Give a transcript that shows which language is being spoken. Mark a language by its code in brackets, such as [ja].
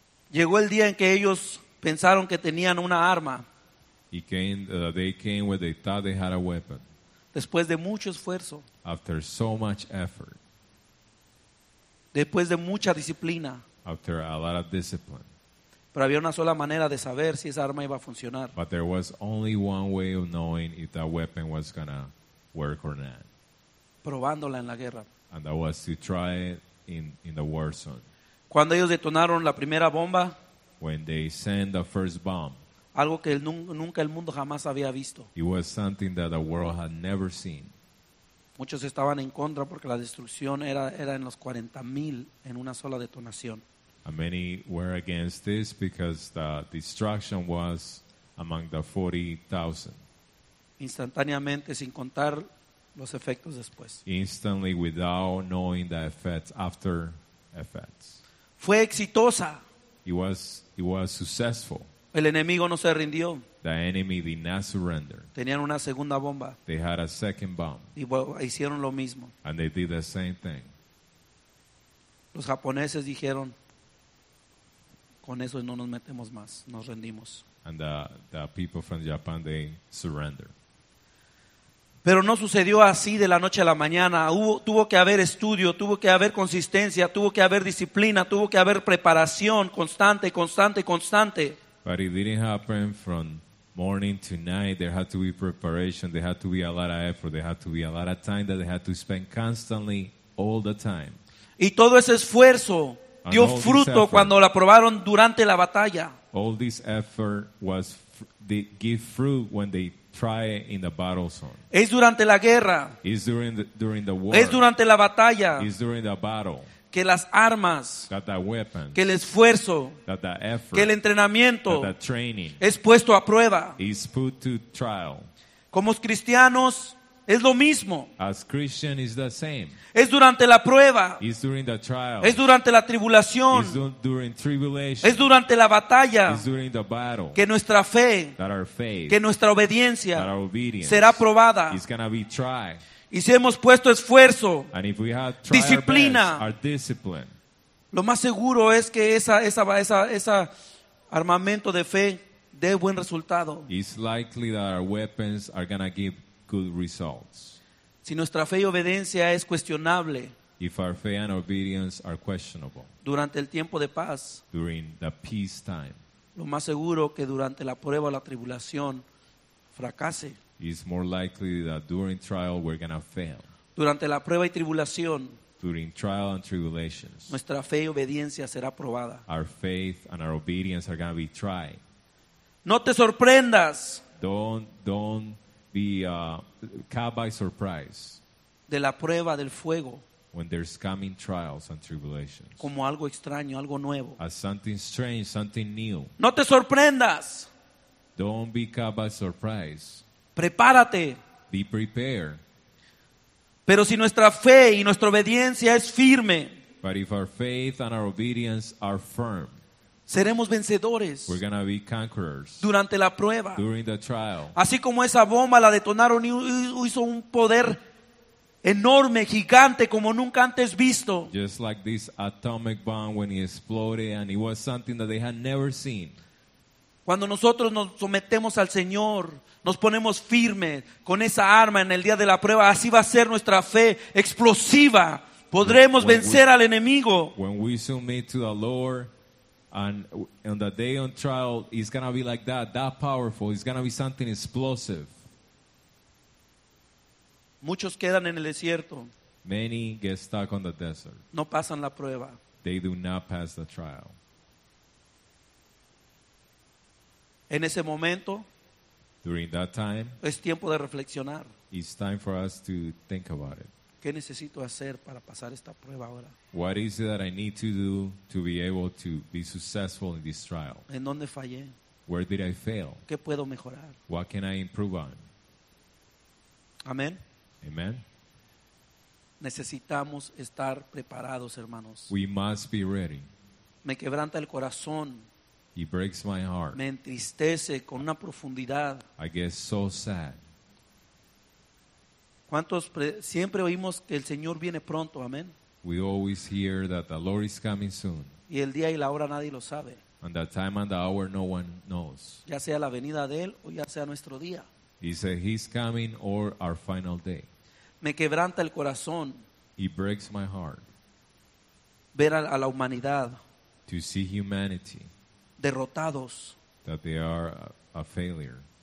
[es] Llegó el día en que ellos pensaron que tenían una arma. [en] It came, they came where they thought they had a weapon. [es] Después de mucho esfuerzo. [en] After so much effort. [es] Después de mucha disciplina. [en] After a lot of discipline. [es] Pero había una sola manera de saber si esa arma iba a funcionar. [en] But there was only one way of knowing if that weapon was going to work or not. [es] Probándola en la guerra. [en] And that was to try it in the war zone. [es] Cuando ellos detonaron la primera bomba, [en] when they sent the first bomb, [es] algo que nunca el mundo jamás había visto, [en] it was something that the world had never seen. [es] Muchos estaban en contra porque la destrucción era en los 40,000 en una sola detonación. [en] And many were against this because the destruction was among the 40,000. [es] Instantáneamente, sin contar los efectos después. [en] Instantly, without knowing the effects after effects. [es] Fue exitosa. [en] It was successful. [es] El enemigo no se rindió. [en] The enemy did not surrender. [es] Tenían una segunda bomba. [en] They had a second bomb. [es] Y hicieron lo mismo. [en] And they did the same thing. [es] Los japoneses dijeron, con eso no nos metemos más, nos rendimos. [en] And the people from Japan, they surrender. [es] Pero no sucedió así de la noche a la mañana. Tuvo que haber estudio, tuvo que haber consistencia, tuvo que haber disciplina, tuvo que haber preparación constante, constante, constante. [en] But it didn't happen from morning to night. There had to be preparation, there had to be a lot of effort, there had to be a lot of time that they had to spend constantly all the time. [es] Y todo ese esfuerzo dio fruto cuando la probaron durante la batalla. [en] All this effort was give fruit when they try in the battle zone. [es] Es durante la guerra. [en] It's during the war. [es] Es durante la batalla. [en] It's during the battle. [es] Que las armas, [en] that the weapons, [es] que el esfuerzo, [en] that the effort, [es] que el entrenamiento, [en] that the training, [es] es puesto a prueba. [en] Is put to trial. [es] Como cristianos, es lo mismo. [en] As Christian, is the same. [es] Es durante la prueba. [en] It's during the trial. [es] Es durante la tribulación. [en] It's during tribulation. [es] Es durante la batalla. [en] It's during the battle. [es] Que nuestra fe, [en] that our faith, [es] que nuestra obediencia, [en] that our obedience, [es] será probada. [en] It's gonna be tried. [es] Y si hemos puesto esfuerzo, [en] and if we have tried [es] disciplina, [en] our best, our, [es] lo más seguro es que esa armamento de fe dé buen resultado. [en] It's likely that our weapons are gonna give good results. [es] Si nuestra fe y obediencia es cuestionable, [en] if our faith and obedience are questionable, [es] durante el tiempo de paz, [en] during the peace time, [es] lo más seguro que durante la prueba o la tribulación fracase. [en] It's more likely that during trial we're gonna fail. [es] Durante la prueba y tribulación, [en] during trial and tribulations, [es] nuestra fe y obediencia será probada. [en] Our faith and our obedience are gonna be tried. [es] No te sorprendas. [en] Don't be caught by surprise. [es] De la prueba del fuego. [en] When there's coming trials and tribulations. [es] Como algo extraño, algo nuevo. [en] As something strange, something new. [es] No te sorprendas. [en] Don't be caught by surprise. [es] Prepárate. [en] Be prepared. [es] Pero si nuestra fe y nuestra obediencia es firme, [en] but if our faith and our obedience are firm, [es] seremos vencedores. [en] We're gonna be conquerors. [es] Durante la prueba, [en] during the trial, [es] así como esa bomba la detonaron y hizo un poder enorme, gigante, como nunca antes visto. [en] Just like this atomic bomb when it exploded and it was something that they had never seen. [es] Cuando nosotros nos sometemos al Señor, nos ponemos firmes con esa arma en el día de la prueba, así va a ser nuestra fe explosiva. Podremos vencer al enemigo. [en] When we submit to the Lord and on the day on trial, it's going to be like that powerful. It's going to be something explosive. [es] Muchos quedan en el desierto. [en] Many get stuck on the desert. [es] No pasan la prueba. [en] They do not pass the trial. [es] En ese momento, [en] during that time, [es] es tiempo de reflexionar. [en] It's time for us to think about it. [es] ¿Qué necesito hacer para pasar esta prueba ahora? [en] What is it that I need to do to be able to be successful in this trial? [es] ¿En dónde fallé? [en] Where did I fail? [es] ¿Qué puedo mejorar? [en] What can I improve on? [es] Amén. [en] Amen. [es] Necesitamos estar preparados, hermanos. [en] We must be ready. [es] Me quebranta el corazón. [en] It breaks my heart. [es] Me entristece con una profundidad. [en] I get so sad. [es] ¿Cuántos siempre oímos que el Señor viene pronto? Amén. [en] We always hear that the Lord is coming soon. [es] Y el día y la hora nadie lo sabe. [en] And the time and the hour no one knows. [es] Ya sea la venida de Él o ya sea nuestro día. [en] He said He's coming or our final day. [es] Me quebranta el corazón. [en] It breaks my heart. [es] Ver a la humanidad. [en] To see humanity. [es] Derrotados, [en] that they are a failure,